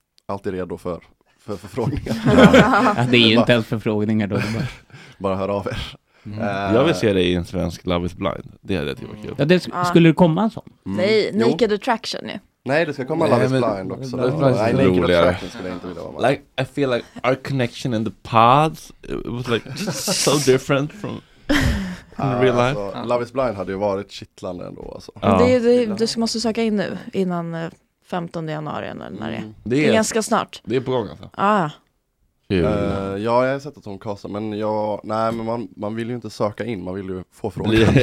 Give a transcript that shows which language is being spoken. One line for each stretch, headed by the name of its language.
Swedish: Alltid redo för förfrågningar. Ja, det är ju inte ens förfrågningar då. Bara höra av er. Mm. Jag vill se dig i en svensk Love is Blind. Det är det jag ja, det skulle det komma en sån? Nej, Naked Attraction nu. Nej, det ska komma Love is Blind också. Love is Blind är roligare. Naked Attraction skulle jag inte vilja vara.
English: Like, I feel like our connection in the pods was like so different from...
Swedish: Alltså, Love is Blind hade ju varit kittlande ändå alltså. Det måste söka in nu innan 15 januari eller när det är ganska snart. Det är på gång alltså. Ja, jag har sett att hon kastar, men jag nej, men man vill ju inte söka in, man vill ju få frågan.